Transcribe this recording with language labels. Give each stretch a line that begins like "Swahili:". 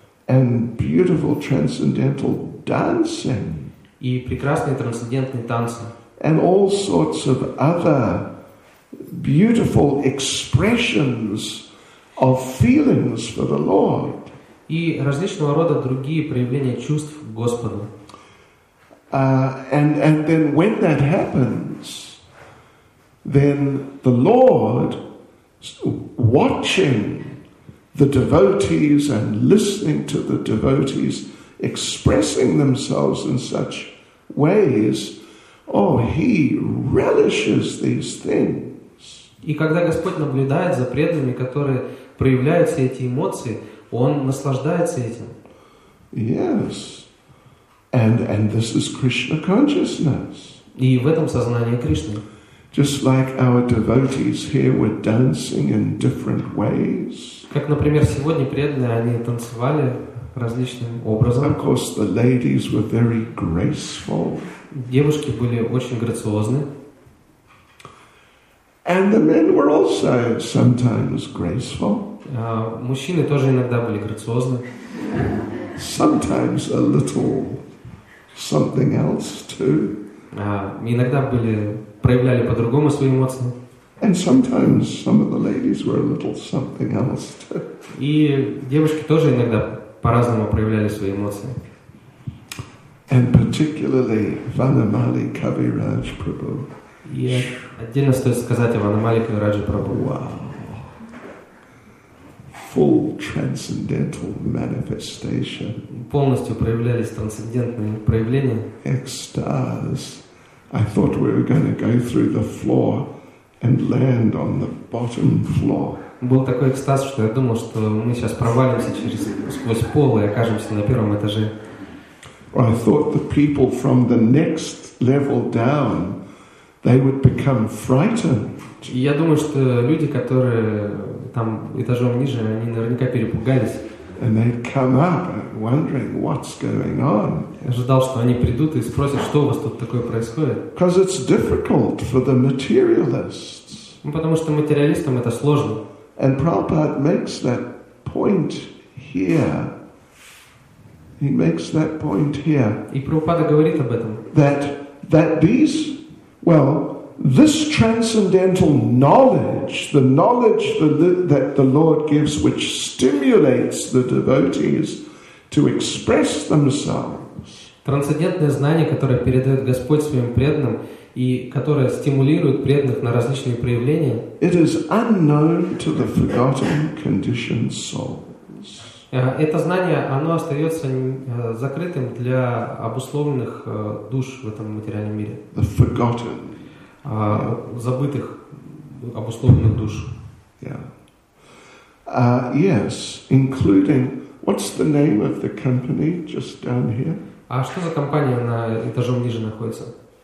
English: And beautiful transcendental dancing.
Russian: И прекрасные трансцендентные танцы.
English: And all sorts of other beautiful expressions of feelings for the Lord.
Russian: И различного рода другие проявления чувств к Господу.
English: And then when that happens, then the Lord, watching the devotees and listening to the devotees expressing themselves in such ways, oh, he relishes these things.
Russian: И когда Господь наблюдает за преданными, которые проявляют все эти эмоции, он наслаждается этим.
English: Yes. And this is Krishna consciousness.
Russian: И в этом сознание Кришны.
English: Just like our devotees here were dancing in different ways.
Russian: Как, например, сегодня преданные, они танцевали различным образом.
English: Of course, the ladies were very graceful.
Russian: Девушки были очень грациозны.
English: And the men were also sometimes graceful.
Russian: Мужчины тоже иногда были грациозны.
English: Sometimes a little something else too.
Russian: Иногда были... проявляли по-другому свои эмоции.
English: And sometimes some of the ladies were a little something else too.
Russian: И девушки тоже иногда по-разному проявляли свои эмоции.
English: And particularly Vanamali Kaviraj Prabhu.
Russian: И отдельно стоит сказать о Ванамали Кавираджи Прабху.
English: Wow. Full transcendental manifestation.
Russian: Полностью проявлялись трансцендентные проявления. Экстаз.
English: I thought we were going to go through the floor and land on the bottom floor.
Russian: Был такой экстаз, что я думал, что мы сейчас провалимся через сквозь пол и окажемся на первом этаже.
English: I thought the people from the next level down, they would become frightened.
Russian: Я думаю, что люди, которые там этажом ниже, они наверняка перепугались.
English: And they'd come up, wondering what's going on.
Russian: Ожидал, что они придут и спросят, что у вас тут такое происходит.
English: Because it's difficult for the materialists.
Russian: Потому что материалистам это сложно.
English: And Prabhupada makes that point here. He makes that point here.
Russian: И Прабхупада говорит об этом.
English: That these, well, this transcendental knowledge, the knowledge that the Lord gives, which stimulates the devotees to express themselves.
Russian: Трансцендентное знание, которое передает Господь своим преданным и которое стимулирует преданных на различные проявления.
English: It is unknown to the forgotten conditioned souls.
Russian: Это знание, оно остается закрытым для обусловленных душ в этом материальном мире.
English: The forgotten.
Russian: Забытых, обусловленных душ.
English: Yeah. Yes, including what's the name of the company just down here?
Russian: А что за компания на этажом ниже находится?